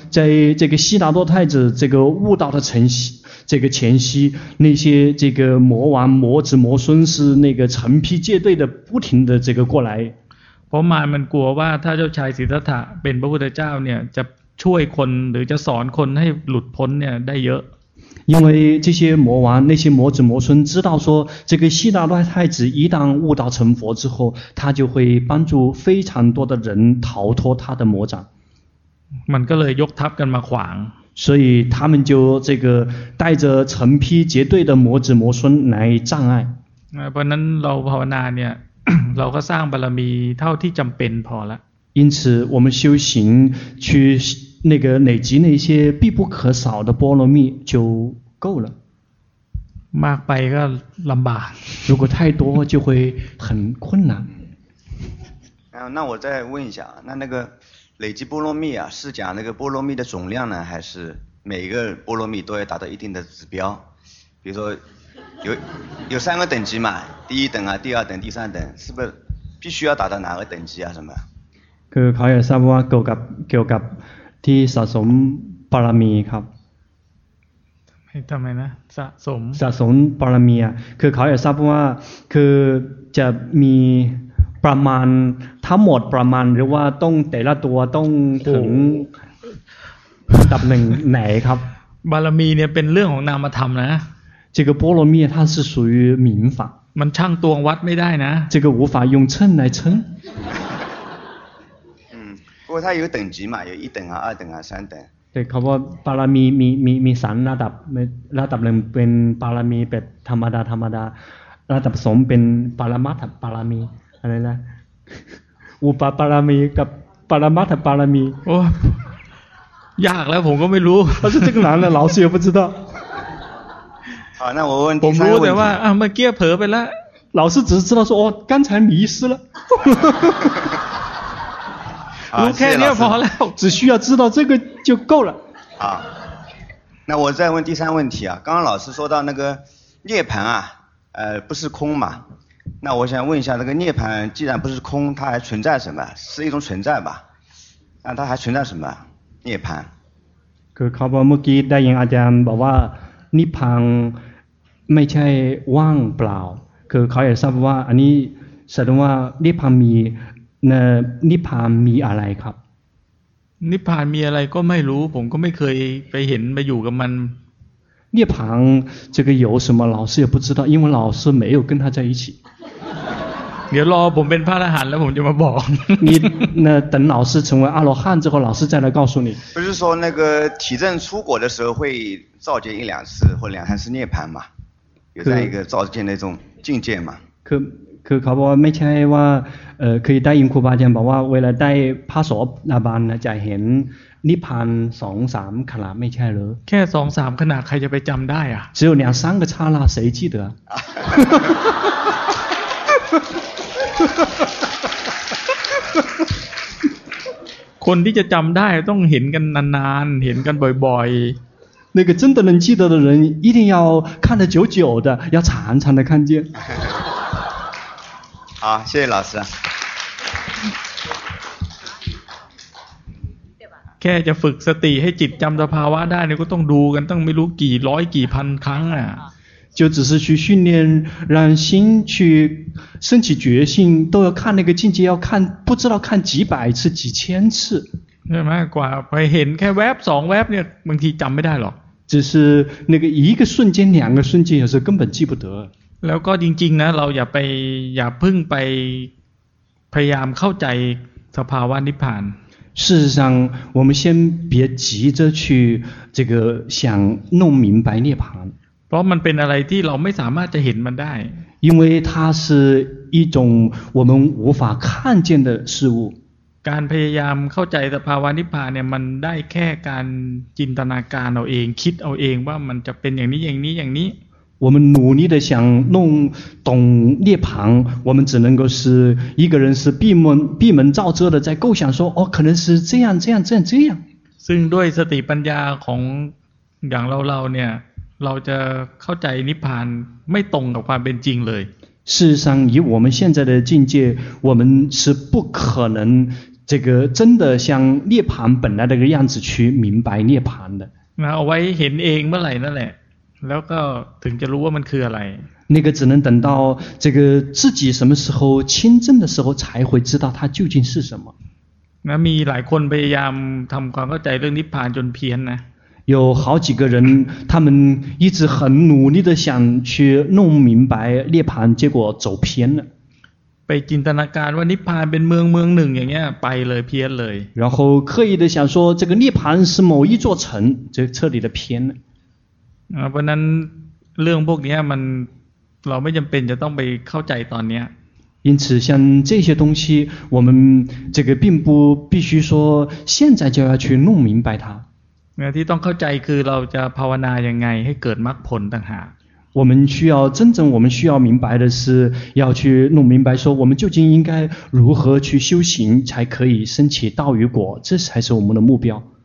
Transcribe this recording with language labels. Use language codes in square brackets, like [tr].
[zh] 在这个悉达多太子这个悟道的前夕，这个前夕，那些这个魔王、魔子、魔孙是那个成批结队的，不停的这个过来。 [th] เพราะมารมันกลัวว่าถ้าเจ้าชายสิทธัตถะเป็นพระพุทธเจ้าเนี่ยจะช่วยคนหรือจะสอนคนให้หลุดพ้นเนี่ยได้เยอะ [zh] 因为这些魔王、那些魔子、魔孙知道说，这个悉达多太子一旦悟道成佛之后，他就会帮助非常多的人逃脱他的魔掌。 [th] มันก็เลยยกทัพกันมาขวาง [zh] 所以他们就这个带着成批结队的魔子、魔孙来障碍。 [th] เพราะนั้นเราภาวนาเนี่ย เราก็สร้างบารมีเท่าที่จำเป็นพอละ [zh] 因此我们修行去那个累积那些必不可少的波罗蜜就够了 [th] มากไปก็ลำบาก [zh] 如果太多就会很困难那我再问一下那个累积波罗蜜啊是讲那个波罗蜜的总量呢还是每个波罗蜜都要达到一定的指标比如说 有三个等级嘛第一等啊第二等第三等是不是必须要达到哪个等级啊什么 [th] คือเขาอยากทราบว่าเกี่ยวกับที่สะสมบารมีครับ ทำไมนะสะสม บารมีคือเขาอยากทราบว่าคือจะมีประมาณทั้งหมดประมาณหรือว่าต้องแต่ละตัวต้องถึงดับหนึ่งไหนครับ บารมีเนี่ยเป็นเรื่องของนามธรรมนะ [zh] 这个波罗蜜它是属于民法 [th] มันช่างตวงวัดไม่ได้นะ [zh] 这个无法用秤来称不过它有等级嘛，有一等啊、二等啊、三等。对， [th] เขาว่าบารมีมีสามระดับระดับหนึ่งเป็นบารมีแบบธรรมดาระดับสองเป็นปรมัตถบารมีอะไรนะอุปบารมีกับปรมัตถบารมี โอ้ยากแล้วผมก็ไม่รู้ [zh] 他说这个难了老师也不知道好那我问 [th] ผมรู้แต่ว่าเมื่อกี้เผลอไปแล้ว [zh] 老师只是知道说哦刚才迷失了如果你要跑了只需要知道这个就够了好那我再问第三问题啊刚刚老师说到那个涅槃啊不是空嘛那我想问一下那个涅槃既然不是空它还存在什么是一种存在吧那它还存在什么涅槃 [th] คือเขาบอกเมื่อกี้ได้ยินอาจารย์บอกว่านิพพานไม่ใช่ว่างเปล่าคือเขาอยากทราบว่าอันนี้แสดงว่านิพพานมี [zh] 那涅槃 [th] มีอะไรครับ 涅槃มีอะไรก็ไม่รู้ผมก็ไม่เคยไปเห็นไปอยู่กับมัน [zh] 涅槃这个有什么老师也不知道因为老师没有跟他在一起 [th] เดี๋ยวรอผมเป็นพระอรหันต์แล้วผมจะมาบอก [zh] 你那等老师成为阿罗汉之后老师再来告诉你不是说那个体证出果的时候会造见一两次或两三次涅槃嘛有这样一个造见那种境界嘛 [th] คือเขาบอกว่าไม่ใช่ว่าคือได้ยินครูบาอาจารย์บอกว่าเวลาได้พระโสดาบันจะเห็นนิพพานสองสามขณะไม่ใช่หรือ แค่สองสามขณะใครจะไปจำได้อ่ะ [zh] 只有两三个刹那谁记得 [th] คนที่จะจำได้ต้องเห็นกันนานๆเห็นกันบ่อย [zh] ๆ那个真的能记得的人一定要看得久久的要常常的看见好，谢谢老师。 [th] แค่จะฝึกสติให้จิตจำสภาวะได้เนี่ยก็ต้องดูกันต้องไม่รู้กี่ร้อยกี่พันครั้งอ่ะ [zh] 就只是去训练，让心去升起觉性，都要看那个境界，要看不知道看几百次、几千次。 [th] ใช่ไหมกว่าไปเห็นแค่แวบสองแวบเนี่ยบางทีจำไม่ได้หรอก [zh] 只是那个一个瞬间、两个瞬间，有时候根本记不得。 [th] แล้วก็จริงๆนะเราอย่าพึ่งไปพยายามเข้าใจสภาวะนิพพาน [zh] 事实上我们先别急着去这个想弄明白涅槃 [th] เพราะมันเป็นอะไรที่เราไม่สามารถจะเห็นมันได้ [zh] 因为它是一种我们无法看见的事物 [th] การพยายามเข้าใจสภาวะนิพพานเนี่ยมันได้แค่การจินตนาการเอาเองคิดเอาเองว่ามันจะเป็นอย่างนี้อย่างนี้อย่างนี้ [zh] 我们努力的想弄懂涅槃，我们只能够是一个人是闭门造车的在构想说，哦，可能是这样这样这样这样。 [th] ซึ่งด้วยสติปัญญาของอย่างเราเนี่ยเราจะเข้าใจนิพพานไม่ตรงกับความเป็นจริงเลย。 [zh] 事实上，以我们现在的境界，我们是不可能这个真的像涅槃本来那个样子去明白涅槃的。那 [th] เอาไว้เห็นเองเมื่อไหร่นั่นแหละแล้วก็ถึงจะรู้ว่ามันคืออะไร [zh] 那个只能等到这个自己什么时候亲证的时候才会知道它究竟是什么 [th] นะมีหลายคนพยายามทำความเข้าใจเรื่องนิพพานจนเพี้ยนนะ [zh] 有好几个人他们一直很努力的想去弄明白涅槃结果走偏了 [th] ไปจินตนาการว่านิพพานเป็นเมืองหนึ่งอย่างเงี้ยไปเลยเพี้ยนเลย [zh] 然后刻意的想说这个涅槃是某一座城就彻底的偏了 [th] เพราะนั้นเรื่องพวกนี้มันเราไม่จำเป็นจะต้องไปเข้าใจตอนนี้ [zh] 因此像这些东西我们这个并不必须说现在就要去弄明白它 [th] ที่ต้องเข้าใจคือเราจะภาวนายังไงให้เกิดมรรคผลต่างหาก [zh] 我们需要真正我们需要明白的是要去弄明白说我们究竟应该如何去修行才可以升起道与果这才是我们的目标